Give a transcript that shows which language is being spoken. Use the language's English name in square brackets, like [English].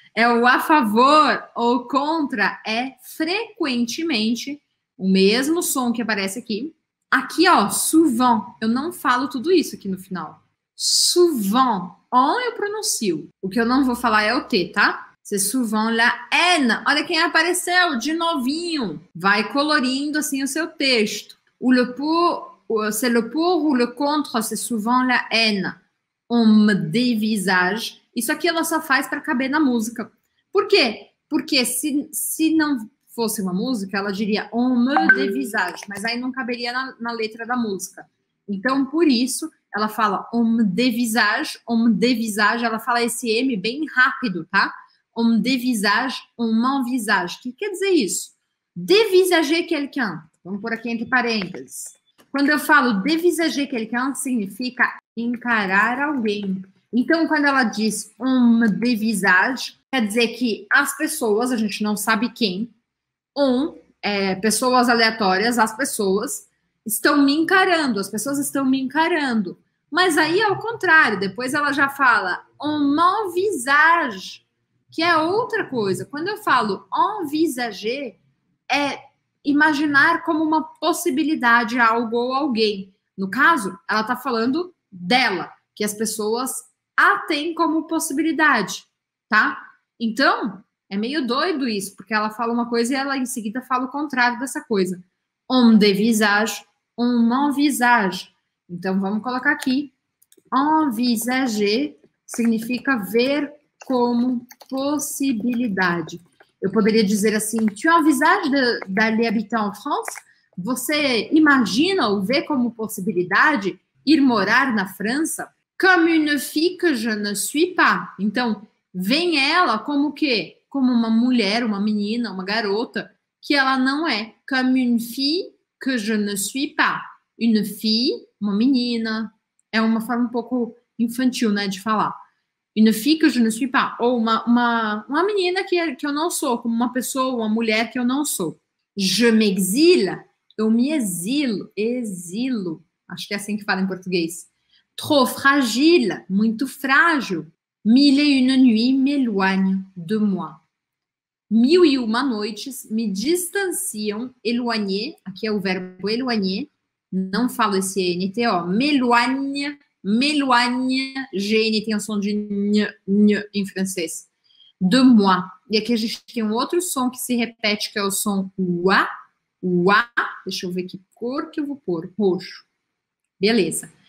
[Portuguese] É o a favor ou contra, é frequentemente o mesmo som que aparece aqui. Aqui, ó, souvent. Eu não falo tudo isso aqui no final. Souvent. Ó, eu pronuncio. O que eu não vou falar é o T, tá? [French] C'est souvent la haine. [Portuguese] Olha quem apareceu, de novinho. Vai colorindo, assim, o seu texto. [French] Ou le pour, c'est le pour ou le contre, c'est souvent la haine. On me dévisage. [Portuguese] Isso aqui ela só faz para caber na música. Por quê? Porque se não fosse uma música, ela diria [French] on me dévisage, [Portuguese] mas aí não caberia na letra da música. Então, por isso, ela fala [French] on me dévisage, [Portuguese] ela fala esse M bem rápido, tá? [French] On me dévisage, on m'envisage. [Portuguese] O que quer dizer isso? [French] Dévisager quelqu'un. [Portuguese] Vamos pôr aqui entre parênteses. Quando eu falo [French] dévisager quelqu'un, [Portuguese] significa encarar alguém. Então, quando ela diz [French] on me dévisage, [Portuguese] quer dizer que as pessoas, a gente não sabe quem, pessoas aleatórias, as pessoas, estão me encarando, as pessoas estão me encarando. Mas aí é o contrário, depois ela já fala [French] on m'envisage, [Portuguese] que é outra coisa. Quando eu falo envisager, é imaginar como uma possibilidade algo ou alguém. No caso, ela está falando dela, que as pessoas a tem como possibilidade, tá? Então, é meio doido isso, porque ela fala uma coisa e ela em seguida fala o contrário dessa coisa. [French] On dévisage, on envisage. [Portuguese] Então, vamos colocar aqui. Envisager significa ver como possibilidade. Eu poderia dizer assim, [French] tu envisages d'aller habiter en France? [Portuguese] Você imagina ou vê como possibilidade ir morar na França? [French] Comme une fille que je ne suis pas. [Portuguese] Então, vem ela como o quê? Como uma mulher, uma menina, uma garota, que ela não é. [French] Comme une fille que je ne suis pas. Une fille, [Portuguese] uma menina. É uma forma um pouco infantil, né, de falar. [French] Une fille que je ne suis pas. [Portuguese] Ou uma menina que eu não sou, como uma pessoa, uma mulher que eu não sou. [French] Je m'exile. [Portuguese] Eu me exilo. Exilo. Acho que é assim que fala em português. [French] Trop fragile, [Portuguese] muito frágil. [French] Mille et une nuits m'éloignent de moi. [Portuguese] Mil e uma noites me distanciam, éloigner, aqui é o verbo éloigner, não falo esse NT, ó, m'éloigne, GN tem o som de ny em francês, de moi. E aqui a gente tem um outro som que se repete, que é o som wa, wa, deixa eu ver que cor que eu vou pôr, roxo. Beleza.